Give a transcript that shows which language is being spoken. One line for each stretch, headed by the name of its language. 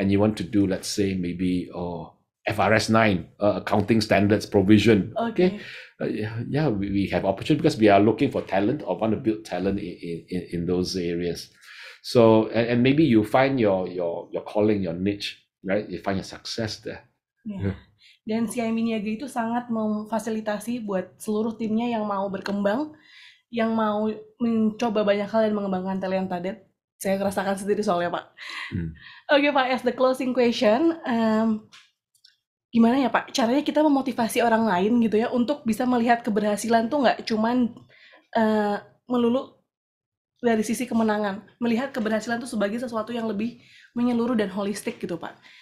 English: And you want to do, let's say, maybe FRS 9, accounting standards provision. Okay. We have opportunity because we are looking for talent or want to build talent in those areas. So, and maybe you find your calling, your niche, right? You find your success there.
Indonesian: Dan CIMB Niaga itu sangat memfasilitasi buat seluruh timnya yang mau berkembang, yang mau mencoba banyak hal dan mengembangkan talenta. Saya rasakan sendiri soalnya, Pak.
English: Okay, Pak, as the closing question,
Indonesian: gimana ya,
English: Pak?
Indonesian: Caranya kita memotivasi orang lain gitu ya untuk bisa melihat keberhasilan tuh nggak cuman melulu dari sisi kemenangan, melihat keberhasilan tuh sebagai sesuatu yang lebih menyeluruh dan holistik gitu, Pak.